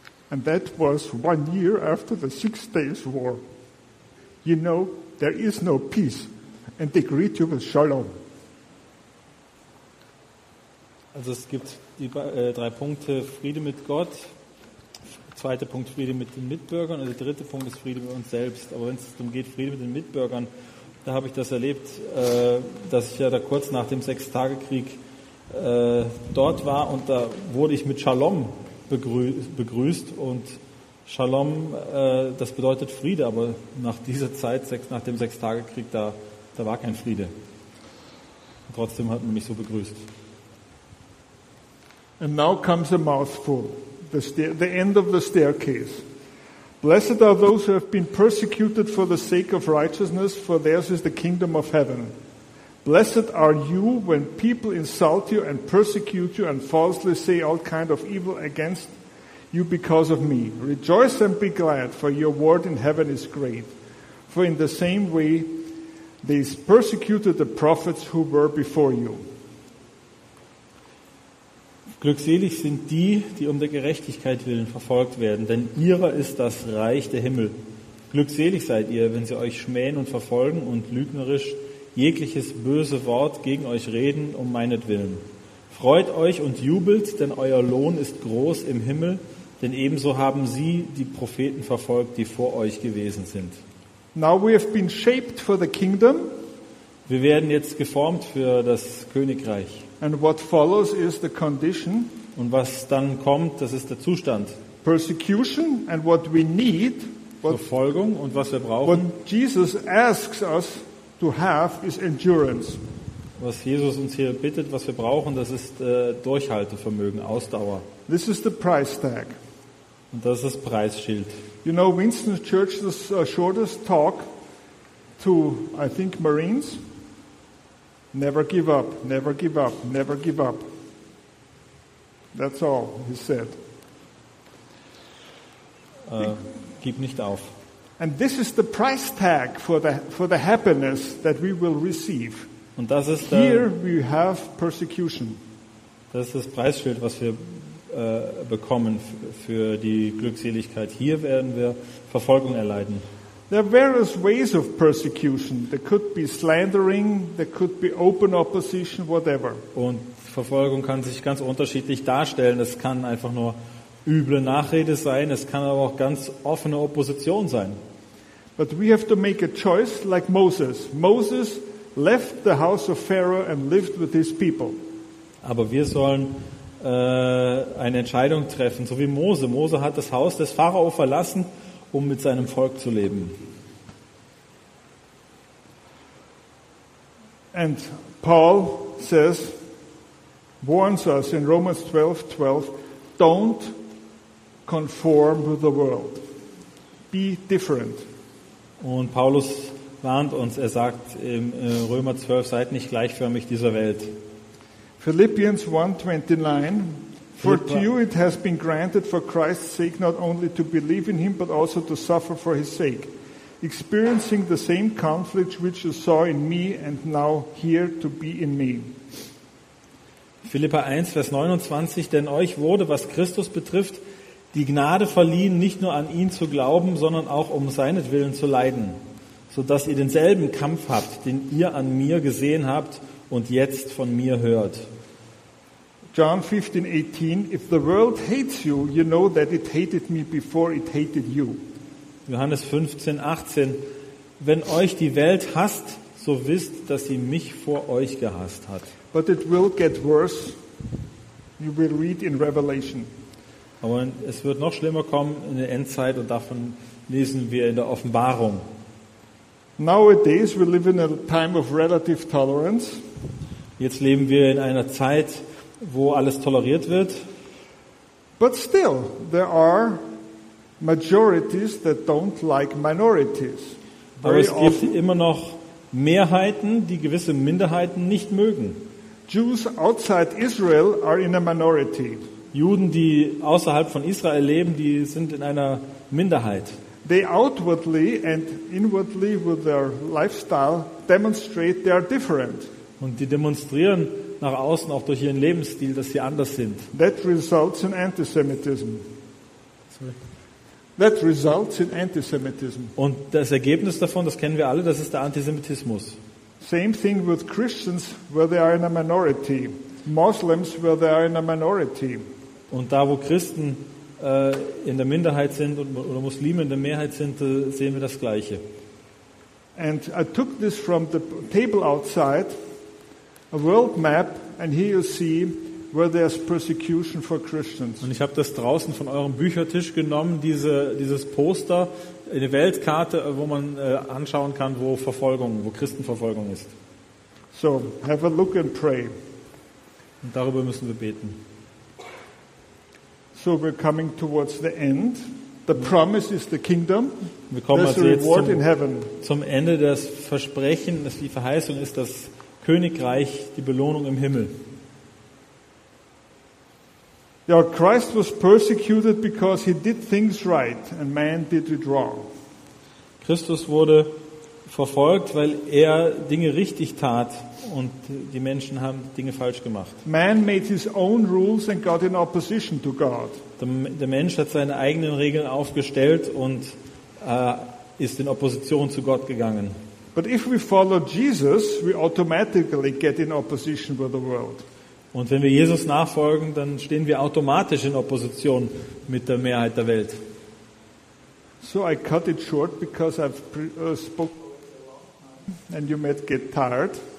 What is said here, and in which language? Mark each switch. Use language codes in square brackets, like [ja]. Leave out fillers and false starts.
[en] And that was 1 year after the Six Days War. You know, there is no peace, and they greet you with shalom. [de] Also es gibt die drei Punkte, Friede mit Gott, zweiter Punkt Friede mit den Mitbürgern und der dritte Punkt ist Friede mit uns selbst. Aber wenn es darum geht, Friede mit den Mitbürgern, da habe ich das erlebt, dass ich ja da kurz nach dem Sechstagekrieg dort war und da wurde ich mit Shalom begrüßt und Shalom, das bedeutet Friede, aber nach dieser Zeit, nach dem Sechstagekrieg, da war kein Friede. Und trotzdem hat man mich so begrüßt. [en] And now comes a mouthful, the end of the staircase. Blessed are those who have been persecuted for the sake of righteousness, for theirs is the kingdom of heaven. Blessed are you when people insult you and persecute you and falsely say all kind of evil against you because of me. Rejoice and be glad, for your reward in heaven is great. For in the same way they persecuted the prophets who were before you. [de] Glückselig sind die, die um der Gerechtigkeit willen verfolgt werden, denn ihrer ist das Reich der Himmel. Glückselig seid ihr, wenn sie euch schmähen und verfolgen und lügnerisch jegliches böse Wort gegen euch reden, um meinetwillen. Freut euch und jubelt, denn euer Lohn ist groß im Himmel, denn ebenso haben sie die Propheten verfolgt, die vor euch gewesen sind. [en] Now we have been shaped for the kingdom. [de] Wir werden jetzt geformt für das Königreich. [en] And what follows is the condition. [de] Und was dann kommt, das ist der Zustand. [en] Persecution and what we need. [de] Verfolgung und was wir brauchen. [en] What Jesus asks us to have is endurance. [de] Was Jesus uns hier bittet, was wir brauchen, das ist Durchhaltevermögen, Ausdauer. [en] This is the price tag. [de] Und das ist das Preisschild. [en] You know, Winston Churchill's shortest talk to, I think, Marines. Never give up, never give up, never give up. That's all he said. [de] Gib nicht auf. [en] And this is the price tag for the happiness that we will receive. [de] Und das ist [en] here we have persecution. [de] Das ist das Preisschild, was wir bekommen für die Glückseligkeit. Hier werden wir Verfolgung erleiden. [en] There are various ways of persecution. There could be slandering, there could be open opposition, whatever. [de] Und Verfolgung kann sich ganz unterschiedlich darstellen. Es kann einfach nur üble Nachrede sein, es kann aber auch ganz offene Opposition sein. [en] But we have to make a choice like Moses. Moses left the house of Pharaoh and lived with his people. [de] Aber wir sollen eine Entscheidung treffen, so wie Mose. Mose hat das Haus des Pharao verlassen, um mit seinem Volk zu leben. [en] And Paul says, warns us in Romans 12:12, don't conform with the world. Be different. [de] Und Paulus warnt uns, er sagt im Römer 12, seid nicht gleichförmig dieser Welt. [en] Philippians 1:29, for to you it has been granted for Christ's sake not only to believe in him, but also to suffer for his sake, experiencing the same conflict which you saw in me and now here to be in me. [de] Philippa 1, Vers 29, denn euch wurde, was Christus betrifft, die Gnade verliehen, nicht nur an ihn zu glauben, sondern auch um seinetwillen zu leiden, so dass ihr denselben Kampf habt, den ihr an mir gesehen habt und jetzt von mir hört. [en] John 15:18, if the world hates you, you know that it hated me before it hated you. [de] Johannes 15:18, wenn euch die Welt hasst, so wisst, dass sie mich vor euch gehasst hat. [en] But it will get worse. You will read in Revelation. [de] Aber es wird noch schlimmer kommen in der Endzeit und davon lesen wir in der Offenbarung. [en] Nowadays we live in a time of relative tolerance. [de] Jetzt leben wir in einer Zeit, wo alles toleriert wird. [en] But still, there are majorities that don't like minorities. [de] Aber es gibt immer noch Mehrheiten, die gewisse Minderheiten nicht mögen. [en] Jews outside Israel are in a minority. [de] Juden, die außerhalb von Israel leben, die sind in einer Minderheit. [en] They outwardly and inwardly with their lifestyle demonstrate they are different. [de] Und die demonstrieren nach außen auch durch ihren Lebensstil, dass sie anders sind. [en] That results in antisemitism. That results in antisemitism. [de] Und das Ergebnis davon, das kennen wir alle, das ist der Antisemitismus. [en] Same thing with Christians where they are in a minority. Muslims where they are in a minority. [de] Und da, wo Christen in der Minderheit sind oder Muslime in der Mehrheit sind, sehen wir das Gleiche. [en] And I took this from the table outside, a world map, and here you see where there's persecution for Christians. [de] Und ich habe das draußen von eurem Büchertisch genommen, dieses Poster, eine Weltkarte, wo man anschauen kann, wo Christenverfolgung ist. [en] So, have a look and pray. [de] Und darüber müssen wir beten. [en] So we're coming towards the end. The promise is the kingdom. [de] Wir kommen also jetzt zum Ende. Das Versprechen, das die Verheißung ist das Königreich, die Belohnung im Himmel. [en] Yeah, Christ was persecuted because he did things right and man did it wrong. [de] Christus wurde verfolgt, weil er Dinge richtig tat und die Menschen haben Dinge falsch gemacht. [en] Man made his own rules and got in opposition to God. [de] Der Mensch hat seine eigenen Regeln aufgestellt und ist in Opposition zu Gott gegangen. [en] But if we follow Jesus, we automatically get in opposition with the world. [de] Und wenn wir Jesus nachfolgen, dann stehen wir automatisch in Opposition mit der Mehrheit der Welt. [en] So I cut it short because I've spoken and you might get tired.